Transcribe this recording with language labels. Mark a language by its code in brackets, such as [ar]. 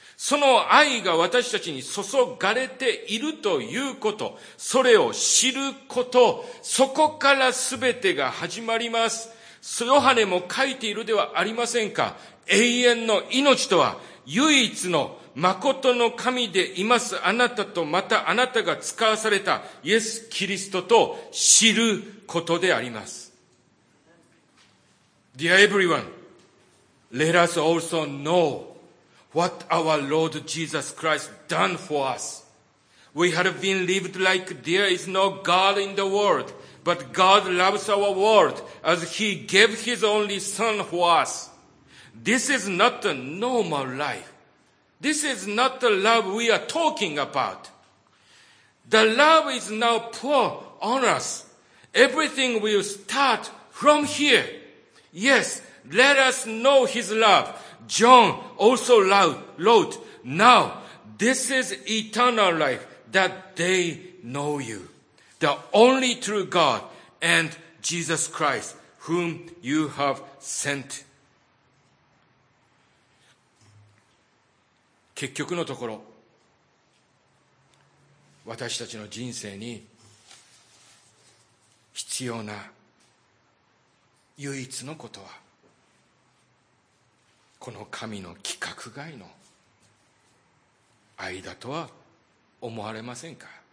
[ja] その愛が私たちに注がれているということ、それを知ること、そこから全てが始まります。ヨハネも書いているではありませんか。永遠の命とは、唯一の誠の神でいますあなたと、またあなたが使わされたイエス・キリストと知ることであります。 [en] Dear everyone, let us also know what our Lord Jesus Christ done for us. We have been lived like there is no God in the world, but God loves our world as he gave his only son for us. This is not a normal life. This is not the love we are talking about. The love is now poured on us. Everything will start from here. Yes, let us know his love. John also wrote, Now, this is eternal life, that they know you, the only true God and Jesus Christ, whom you have sent. [ja] 結局のところ、私たちの人生に必要な唯一のことは、この神の規格外の愛だとは思われませんか。